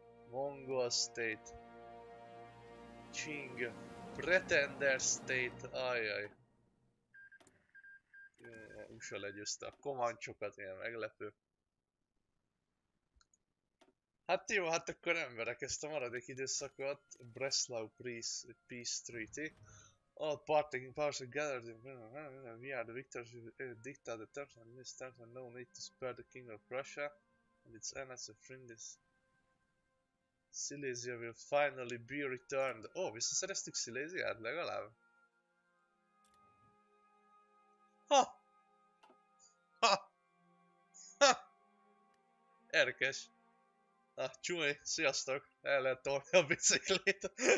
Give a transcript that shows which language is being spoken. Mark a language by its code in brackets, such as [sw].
[en] Mongol State. Qing Pretender State, ajaj. [hu] USA legyőzte a komancsokat, milyen meglepő. Hát jó, hát akkor emberek, ezt a maradék időszakot, Breslau Peace Treaty. [en] All partaking powers are gathered in... We are the victors who dictate the terms and these terms and no need to spare the king of Russia and its enemies and friends. Silesia will finally be returned. [hu] Oh, visszaszereztük Silesiát legalább. Erkes. Na, csúj, sziasztok! El lehet tolni a biciklét.